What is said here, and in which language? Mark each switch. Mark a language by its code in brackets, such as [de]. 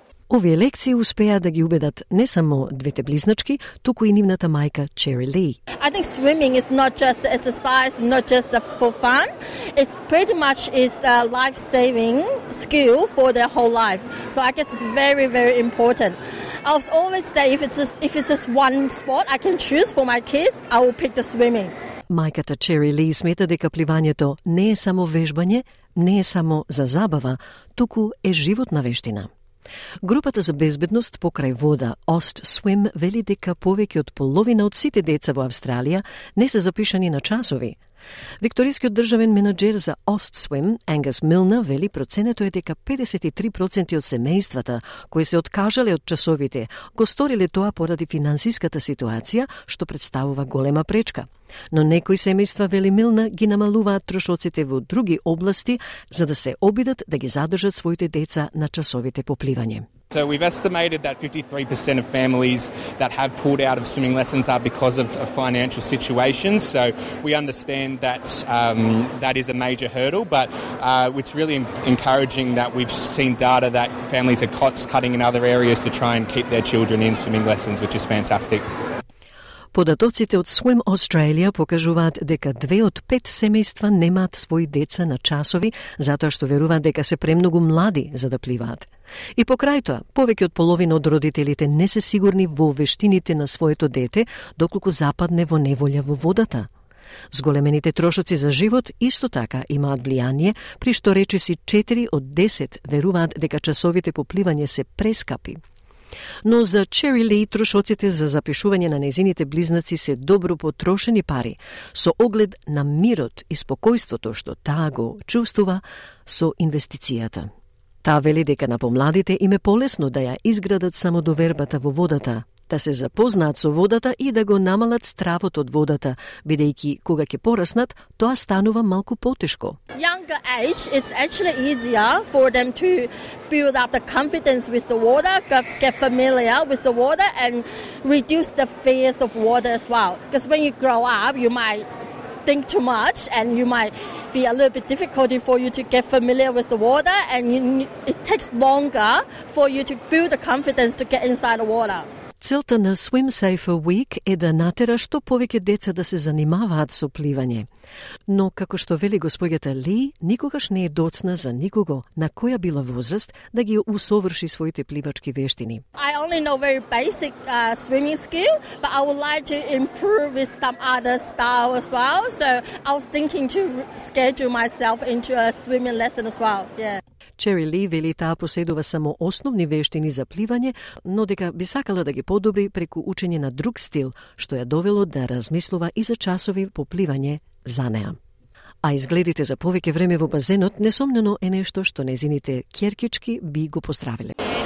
[mk] Овие лекции успеа да ги убедат не само двете близначки, туку и нивната мајка Чери Ли. [en] I think swimming is not just exercise, not just for fun. It's pretty much is a life-saving skill for their whole life. So I guess it's very, very important. I always say if it's just one sport I can choose for my kids, I will pick the swimming. [mk] Мајката Чери Ли смета дека пливањето не е само вежбање, не е само за забава, туку е животна вештина. Групата за безбедност покрај вода OstSwim вели дека повеќе од половина од сите деца во Австралија не се запишани на часови. Викторискиот државен менеджер за Остсвим, Ангус Милна, вели проценето е дека 53% од семејствата кои се откажале од часовите го сториле тоа поради финансиската ситуација, што представува голема пречка. Но некои семејства, вели Милна, ги намалуваат трошоците во други области за да се обидат да ги задржат своите деца на часовите по пливање. [en] So we've estimated that 53% of families that have pulled out of swimming lessons are because of financial situations. So we understand that that is a major hurdle, but it's really encouraging that we've seen data that families are cost-cutting in other areas to try and keep their children in swimming lessons, which is fantastic. [mk] Податоците од Swim Australia покажуваат дека две од пет семејства немаат своји деца на часови затоа што веруваат дека се премногу млади за да пливаат. И покрај тоа, повеќе од половина од родителите не се сигурни во вештините на своето дете доколку западне во неволја во водата. Зголемените трошоци за живот исто така имаат влијание, при што речиси 4 од 10 веруваат дека часовите по пливање се прескапи. Но за Чери Ли трошоците за запишување на незините близнаци се добро потрошени пари, со оглед на мирот и спокојството што таа го чувствува со инвестицијата. Таа вели дека на помладите им е полесно да ја изградат самодовербата во водата, да се запознаат со водата и да го намалат стравот од водата, бидејќи кога ќе пораснат, тоа станува малку потешко. [en] Younger age is actually easier for them to build up the confidence with the water, get familiar with the water and reduce the fears of water as well. Because when you grow up, you might think too much and you might be a little bit difficult for you to get familiar with the water and it takes longer for you to build the confidence to get inside the water. [mk] Целта на Swim Safer Week е да натера што повеќе деца да се занимаваат со пливање. Но, како што вели господјата Ли, никогаш не е доцна за никого на која била возраст да ги усоврши своите пливачки вештини. [en] I only know very basic swimming skill, but I would like to improve with some other style as well. So, I was thinking to schedule myself into a swimming lesson as well. Yeah. [mk] Чери Ли вели таа поседува само основни вештини за пливање, но дека би сакала да ги подобри преку учење на друг стил, што ја довело да размислува и за часови по пливање за неа. А изгледите за повеќе време во базенот несомнено е нешто што незините ќеркички би го поздравиле.